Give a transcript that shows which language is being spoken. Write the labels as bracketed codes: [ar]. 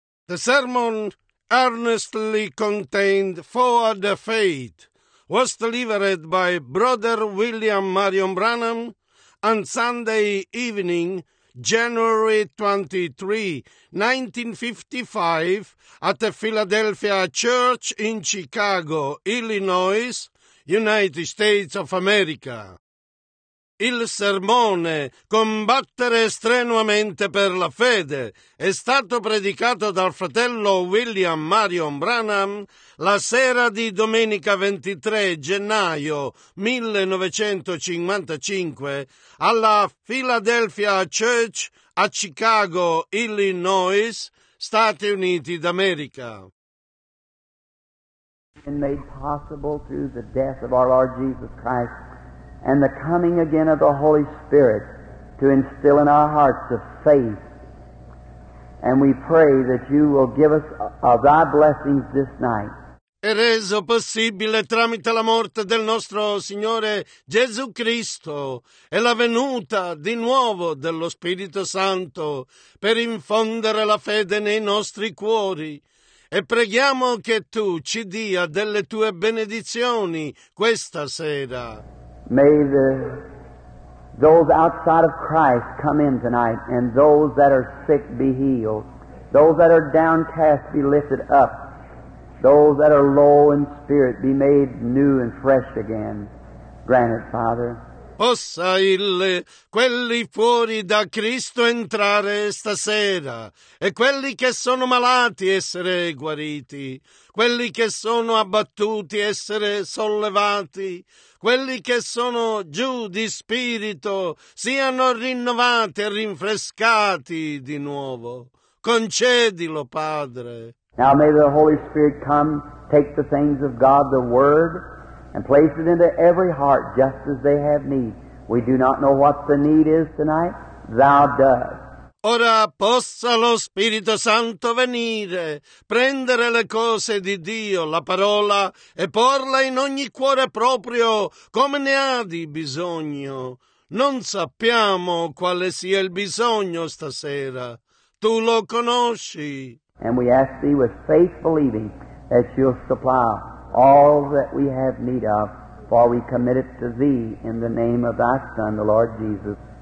[en] The sermon earnestly contained for the faith was delivered by Brother William Marion Branham on Sunday evening, January 23, 1955, at a Philadelphia church in Chicago, Illinois, United States of America. [it] Il sermone «Combattere strenuamente per la fede» è stato predicato dal fratello William Marion Branham la sera di domenica 23 gennaio 1955 alla Philadelphia Church a Chicago, Illinois, Stati Uniti d'America. [en] And made possible through the death of our Lord Jesus Christ and the coming again of the Holy Spirit to instill in our hearts the faith. And we pray that you will give us of thy blessings this night. [it] È reso possibile tramite la morte del nostro Signore Gesù Cristo e la venuta di nuovo dello Spirito Santo per infondere la fede nei nostri cuori. E preghiamo che tu ci dia delle tue benedizioni questa sera. [en] May those outside of Christ come in tonight, and those that are sick be healed. Those that are downcast be lifted up. Those that are low in spirit be made new and fresh again. Grant it, Father. [it] Possa quelli fuori da Cristo entrare stasera, e quelli che sono malati essere guariti, quelli che sono abbattuti essere sollevati, quelli che sono giù di spirito siano rinnovati e rinfrescati di nuovo. Concedilo, Padre. [en] Now may the Holy Spirit come, take the things of God, the Word, and place it into every heart just as they have need. We do not know what the need is tonight. Thou dost. [it] Ora possa lo Spirito Santo venire, prendere le cose di Dio, la parola, e porla in ogni cuore proprio come ne ha di bisogno. Non sappiamo quale sia il bisogno stasera. Tu lo conosci. [en] And we ask thee with faith believing that you'll supply all that we have need of, for we commit it to thee in the name of thy Son, the Lord Jesus.